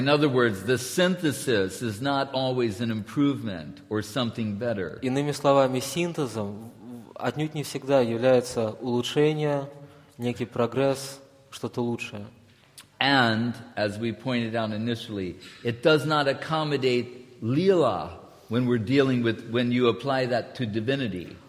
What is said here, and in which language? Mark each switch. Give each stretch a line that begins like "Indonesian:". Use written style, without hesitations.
English: In other words, the synthesis is not always an improvement or something better.
Russian: Иными словами, синтезом отнюдь не всегда является улучшение, некий прогресс, что-то лучшее.
English: And as we pointed out initially, it does not accommodate lila when we're dealing with when you apply that to divinity.